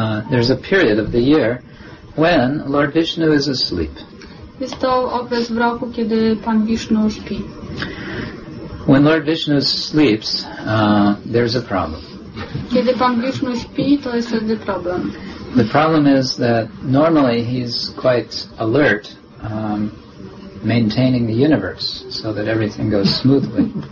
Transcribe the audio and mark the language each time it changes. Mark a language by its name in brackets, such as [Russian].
[English] There's a period of the year when Lord Vishnu is asleep. [Polish] Jest to okres w roku, kiedy Pan Vishnu śpi. [English] When Lord Vishnu sleeps, there's a problem. [Polish] Kiedy Pan Vishnu śpi, to jest wtedy problem. [English] The problem is that normally he's quite alert, maintaining the universe so that everything goes smoothly.